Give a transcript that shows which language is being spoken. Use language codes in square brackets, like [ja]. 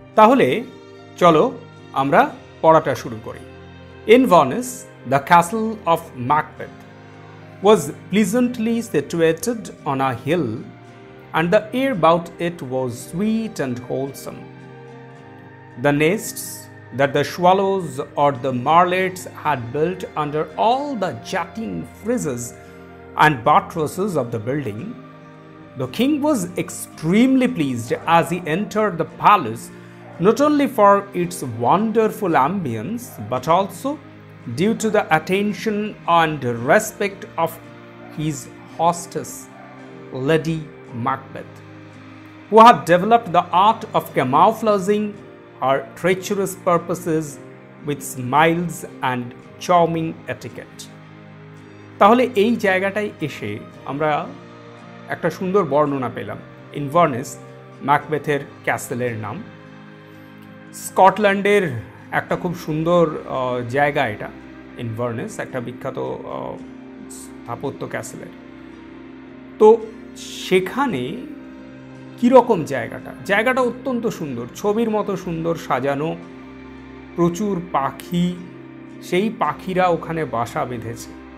[bn] তাহলে চলো আমরা পড়াটা শুরু করি। [en] Inverness, the castle of Macbeth, was pleasantly situated on a hill and the air about it was sweet and wholesome. The nests that the swallows or the marlets had built under all the jutting frizzes and buttresses of the building. The king was extremely pleased as he entered the palace, not only for its wonderful ambience, but also due to the attention and respect of his hostess, Lady Macbeth, who had developed the art of camouflaging our treacherous purposes with smiles and charming etiquette. [bn] তাহলে এই জায়গাটায় এসে আমরা একটা সুন্দর বর্ণনা পেলাম। ইনভারনেস, ম্যাকবেথের ক্যাসেলের নাম, স্কটল্যান্ডের একটা খুব সুন্দর জায়গা এটা। ইনভারনেস একটা বিখ্যাত স্থাপত্য ক্যাসেলের, তো সেখানে কীরকম জায়গাটা, জায়গাটা অত্যন্ত সুন্দর, ছবির মতো সুন্দর সাজানো, প্রচুর পাখি, সেই পাখিরা ওখানে বাসা বেঁধেছে।